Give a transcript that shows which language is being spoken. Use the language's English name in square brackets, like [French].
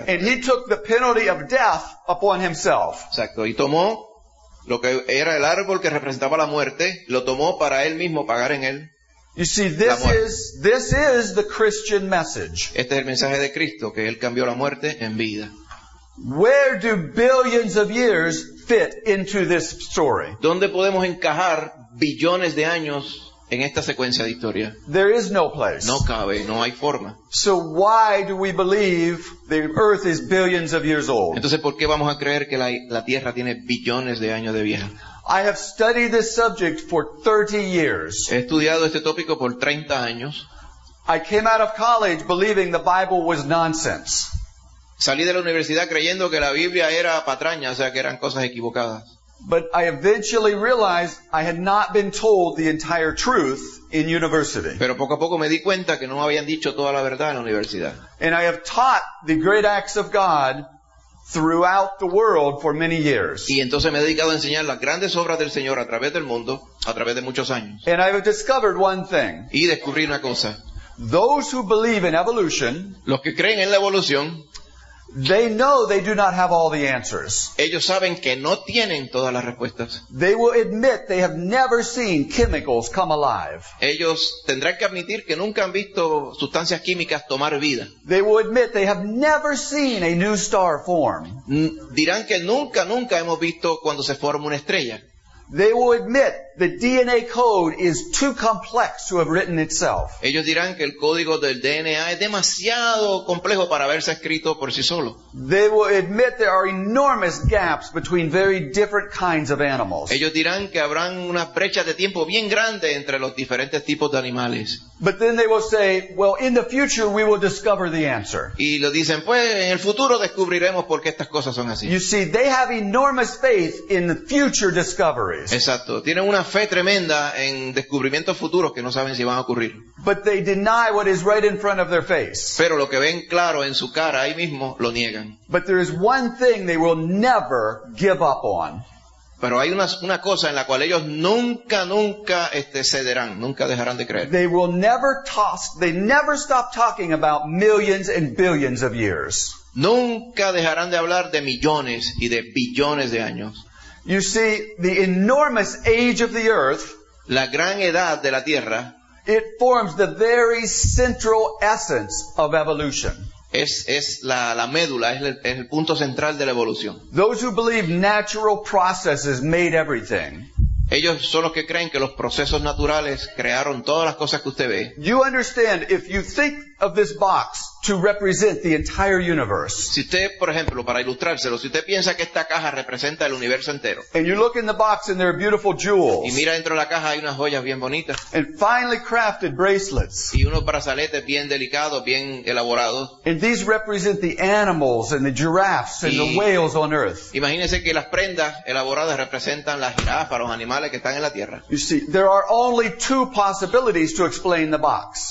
[English] And he took the penalty of death upon himself. [Spanish] Exacto, y tomó lo que era el árbol que representaba la muerte, lo tomó para él mismo pagar en él. [English] You see, this is the Christian message. [Spanish] Este es el mensaje de Cristo, que él cambió la muerte en vida. [English] Where do billions of years fit into this story? [Spanish] ¿Dónde podemos encajar billones de años en esta secuencia de historia? [English] There is no place. [Spanish] No cabe, no hay forma. [English] So why do we believe the earth is billions of years old? [Spanish] Entonces, ¿por qué vamos a creer que la tierra tiene billones de años de vieja? [English] I have studied this subject for 30 years. [Spanish] He estudiado este tópico por 30 años. [English] I came out of college believing the Bible was nonsense. [Spanish] Salí de la universidad creyendo que la Biblia era patraña, o sea, que eran cosas equivocadas. [English] But I eventually realized I had not been told the entire truth in university. [Spanish] Pero poco a poco me di cuenta que no me habían dicho toda la verdad en la universidad. [English] And I have taught the great acts of God throughout the world for many years. [Spanish] Y entonces me he dedicado a enseñar las grandes obras del Señor a través del mundo, a través de muchos años. [English] And I have discovered one thing. [Spanish] Y descubrí una cosa. [English] Those who believe in evolution, [Spanish] los que creen en la evolución, [English] they know they do not have all the answers. [Spanish] Ellos saben que no tienen todas las respuestas. [English] They will admit they have never seen chemicals come alive. [Spanish] Ellos tendrán que admitir que nunca han visto sustancias químicas tomar vida. [English] They will admit they have never seen a new star form. [Spanish] Dirán que nunca hemos visto cuando se forma una estrella. [English] They will admit the DNA code is too complex to have written itself. [Spanish] Ellos dirán que el código del DNA es demasiado complejo para haberse escrito por sí solo. [English] They will admit there are enormous gaps between very different kinds of animals. [Spanish] Ellos dirán que habrán una brecha de tiempo bien grande entre los diferentes tipos de animales. [English] But then they will say, well, in the future we will discover the answer. [Spanish] Y lo dicen, pues en el futuro descubriremos por qué estas cosas son así. [English] You see, they have enormous faith in the future discoveries. [Spanish] Exacto, tienen una fe tremenda en descubrimientos futuros que no saben si van a ocurrir. [English] But they deny what is right in front of their face. [Spanish] Pero lo que ven claro en su cara ahí mismo lo niegan. [English] But there is one thing they will never give up on. [Spanish] Pero hay una cosa en la cual ellos nunca cederán, nunca dejarán de creer. [English] They will never toss, they never stop talking about millions and billions of years. [Spanish] Nunca dejarán de hablar de millones y de billones de años. [English] You see, the enormous age of the earth, [Spanish] la gran edad de la tierra, [English] it forms the very central essence of evolution. [Spanish] Es la médula, es el punto central de la evolución. [English] Those who believe natural processes made everything. [Spanish] Ellos son los que creen que los procesos naturales crearon todas las cosas que usted ve. [English] You understand if you think of this box to represent the entire universe. [Spanish] Si usted, por ejemplo, para ilustrárselo, si usted piensa que esta caja representa el universo entero. [English] And you look in the box and there are beautiful jewels. [Spanish] Y mira dentro de la caja hay unas joyas bien bonitas. [English] And finely crafted bracelets. [Spanish] Y unos brazaletes bien delicados, bien elaborados. [English] And these represent the animals and the giraffes and the whales on earth. [Spanish] Imagínese que las prendas elaboradas representan las jirafas, los animales que están en la tierra. [English] You see, there are only two possibilities to explain the box.